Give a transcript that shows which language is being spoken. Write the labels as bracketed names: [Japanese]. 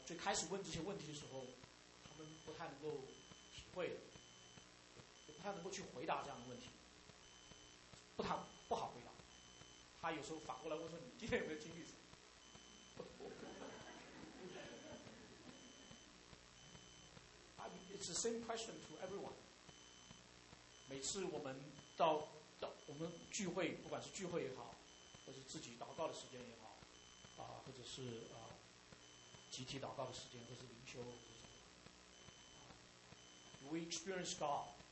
[Chinese] 最开始问这些问题的时候，他们不太能够体会的，也不太能够去回答这样的问题，不好回答。他有时候反过来问说：“你今天有没有经历什么？” [English] I mean, it's the same question to everyone. [Chinese] 每次我们到我们聚会，不管是聚会也好，或是自己祷告的时间也好，或者是集体祷告的时间，或是灵修，或是什么 ， [English] We experience God.